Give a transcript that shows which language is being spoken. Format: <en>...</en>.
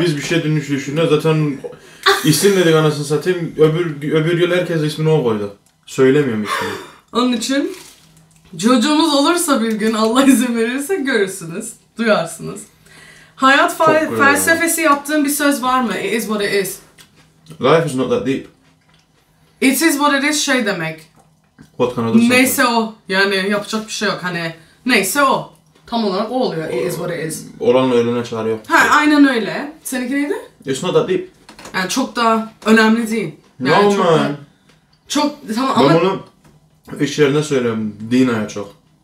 <tr>Biz bir şey düşünüyoruz. Zaten isim dedik anasını satayım. Öbür gün herkes ismini o koydu. Söylemiyorum ismini. Onun için çocuğunuz olursa bir gün, Allah izin verirse, görürsünüz. Duyarsınız. Hayat felsefesi yaptığın bir söz var mı?</tr> <en>It is what it is. Life is not that deep. It is what it is</en> <tr>şey demek. Neyse o. Yani yapacak bir şey yok. Hani neyse o. Tam olarak o oluyor.</tr> <en>It is what it is.</en> <tr>Oranın ölüne çağırıyor. Ha, aynen öyle. Seninki neydi?</tr> <en>It's not that deep.</en> <tr>Yani çok da önemli değil. Yani</tr> <en>no man.</en> <tr>Çok tamam ama... Ben bunu iş yerine söylüyorum. Dina'ya çok.</tr>